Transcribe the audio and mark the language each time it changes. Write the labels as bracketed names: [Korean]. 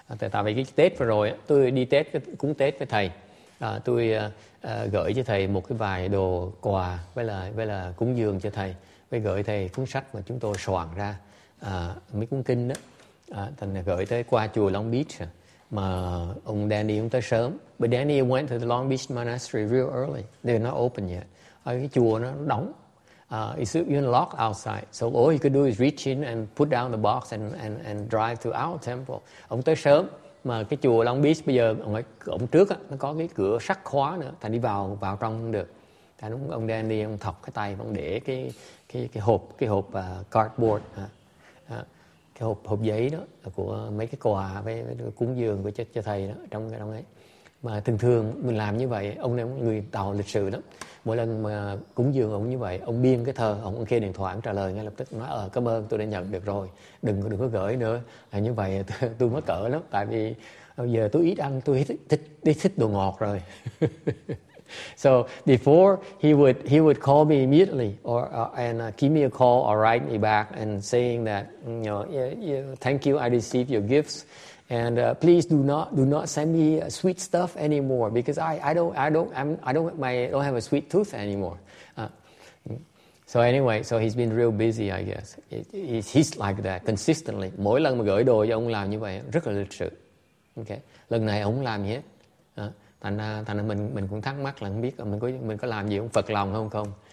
[Vietnamese] Tại vì cái Tết vừa rồi tôi đi Tết cúng Tết với thầy, tôi gửi cho thầy một cái vài đồ quà với là cúng dường cho thầy, với gửi thầy cuốn sách mà chúng tôi soạn ra mấy cuốn kinh đó, thành gửi tới qua chùa Long Beach. Mà ông Danny ông tới sớm. [English] But Danny went to the Long Beach Monastery real early. They're not open yet. [Vietnamese] Cái chùa nó đóng. [English] It's even locked outside. So all he could do is reach in and put down the box and drive to our temple. [Vietnamese] Ông tới sớm. Mà cái chùa Long Beach bây giờ, ông trước á, nó có cái cửa sắt khóa nữa. Thành đi vào trong không được. Thành ông Danny ông thọc cái tay, ông để cái hộp cardboard. Cái hộp giấy đó của mấy cái quà với cúng dường của cho thầy đó trong cái đó ấy. Mà thường thường mình làm như vậy, ông này người tàu lịch sự lắm. Mỗi lần mà cúng dường ông như vậy, ông biên cái thơ, ông kê điện thoại, ông trả lời ngay lập tức, nói cảm ơn, tôi đã nhận được rồi, đừng có gửi nữa. À, như vậy tôi mắc cỡ lắm, tại vì giờ tôi ít ăn, tôi thích đồ ngọt rồi. [English] So before he would call me immediately or give me a call or write me back and saying that, you know, thank you, I received your gifts. And please do not send me sweet stuff anymore because I don't have a sweet tooth anymore. So anyway, so he's been real busy, I guess. He's like that consistently. [Vietnamese] Mỗi lần mà gửi đồ cho ông làm như vậy rất là lịch sự. Okay. Lần này ông làm gì hết. Thành mình cũng thắc mắc là không biết mình có làm gì ông Phật lòng không.